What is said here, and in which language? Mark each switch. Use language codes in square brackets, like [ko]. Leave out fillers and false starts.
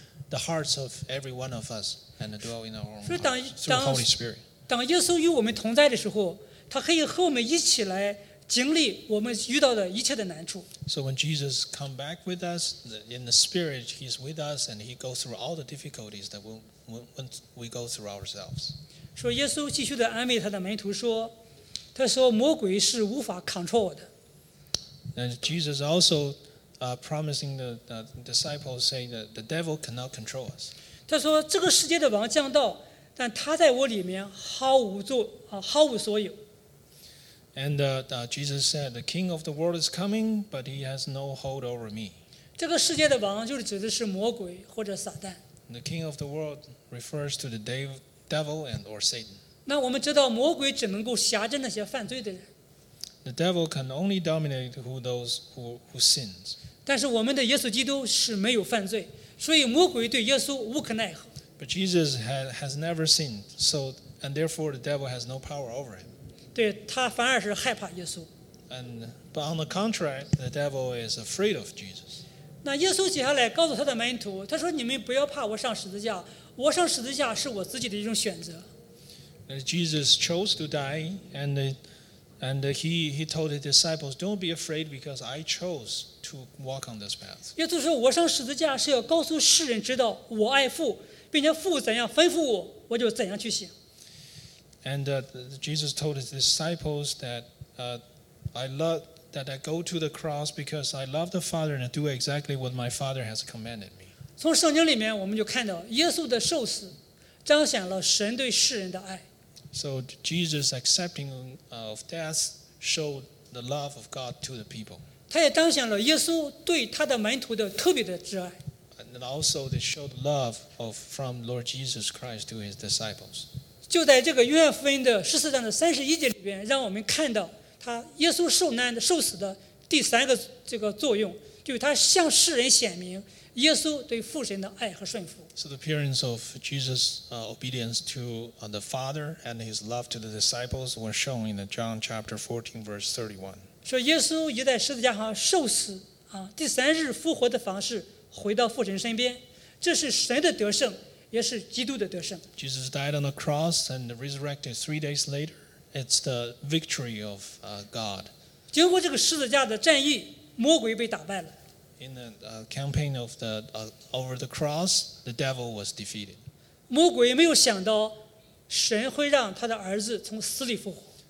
[en] The hearts of every one of us and dwell in our own hearts through the Holy Spirit. [zh] 当耶稣与我们同在的时候，他可以和我们一起来经历我们遇到的一切的难处。 [en] So when Jesus comes back with us in the Spirit, He's with us and He goes through all the difficulties that we go through ourselves. [zh] 说耶稣继续的安慰他的门徒说，他说魔鬼是无法control我的。 [en] And Jesus also. Promising the disciples say that the devil cannot control us. [zh] 他说这个世界的王降道，但他在我里面毫无所有。 [en] And Jesus said, the king of the world is coming, but he has no hold over me. [zh] 这个世界的王就是指的是魔鬼或者撒旦。 [en] The king of the world refers to the devil and or Satan. [zh] 那我们知道魔鬼只能够辖制那些犯罪的人。 [en] The devil can only dominate those who sins. [zh] 但是我们的耶稣基督是没有犯罪，所以魔鬼对耶稣无可奈何。 [en] But Jesus has never sinned, so and therefore the devil has no power over him. [zh] 对，他反而是害怕耶稣。 [en] But on the contrary, the devil is afraid of Jesus. [zh] 那耶稣接下来告诉他的门徒，他说：“你们不要怕我上十字架，我上十字架是我自己的一种选择。” [en] Jesus chose to die, and he told his disciples, "Don't be afraid because I chose to walk on this path." [zh] 耶稣说：“我上十字架是要告诉世人知道我爱父，并且父怎样吩咐我，我就怎样去行。” [en] Jesus told his disciples that, "I love that I go to the cross because I love the Father and do exactly what my Father has commanded me." [zh] 从圣经里面我们就看到耶稣的受死彰显了神对世人的爱。 [en] So Jesus accepting of death showed the love of God to the people. [zh] 他也彰显了耶稣对他的门徒的特别的挚爱。 [en] And also they showed love from Lord Jesus Christ to his disciples. [zh] 就在这个约翰福音的十四章的三十一节里边，让我们看到他耶稣受难的受死的第三个这个作用，就是他向世人显明耶稣对父神的爱和顺服。 [en] So the appearance of Jesus' obedience to the Father and his love to the disciples was shown in the John chapter 14, verse 31. [zh] 说耶稣已在十字架上受死啊，第三日复活的方式回到父神身边，这是神的得胜，也是基督的得胜。 [en] Jesus died on the cross and resurrected 3 days later. It's the victory of God. [zh] 经过这个十字架的战役，魔鬼被打败了。 [en] In the campaign of the over the cross, the devil was defeated. [zh] 魔鬼没有想到神会让他的儿子从死里复活。